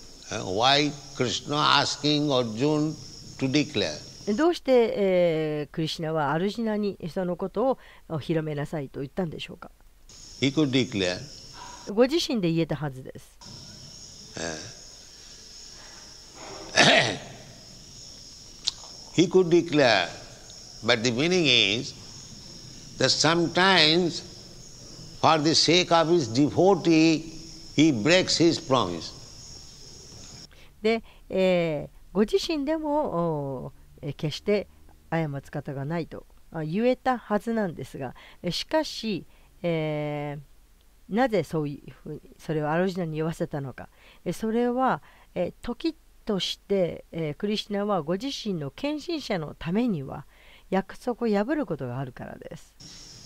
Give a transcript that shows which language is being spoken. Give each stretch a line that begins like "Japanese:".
English: Why Krishna asking Arjuna to declare？
Japanese: どうして、クリシナはアルジナにそのことを広めなさいと言ったんでしょうか。
English: He could declare。
Japanese: ご自身で言えたはずです。
English: He could declare but the meaning is that sometimes for the sake of his devotee he breaks his promise。
Japanese: で、ご自身でも決して過つ方がないと言えたはずなんですが、しかし、なぜそういうふうにそれをアルジナに言わせたのか、それは時として、クリシナはご自身の献身者のためには約束を破ることがあるからです。